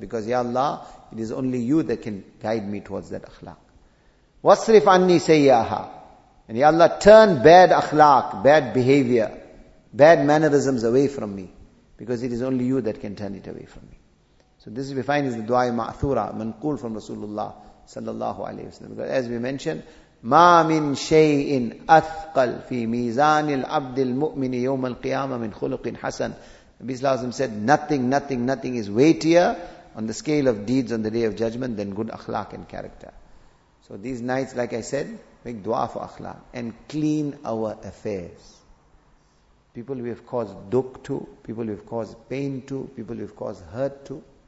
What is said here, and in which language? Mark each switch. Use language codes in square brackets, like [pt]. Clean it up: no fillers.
[en] Because, Ya Allah, it is only You that can guide me towards that akhlaq. [ar] وَصْرِفْ عَنِّي سَيِّئَهَا. [en] And Ya Allah, turn bad akhlaq, bad behavior, bad mannerisms away from me. Because it is only You that can turn it away from me. So this we find is the dua ma'thura, manqul from Rasulullah sallallahu alayhi wa sallam. Because as we mentioned, [ar] مَا مِن شَيْءٍ أَثْقَلْ فِي مِيزَانِ الْعَبْدِ الْمُؤْمِنِ يَوْمَ الْقِيَامَةِ مِنْ خُلُقٍ حَسَنٍ. [en] Nabi sallallahu alayhi wa sallam said, nothing is weightier on the scale of deeds on the day of judgment than good akhlaq and character. So these nights, like I said, make dua for akhlaq and clean our affairs. People we have caused dukh to, people we have caused pain to, people we have caused hurt to.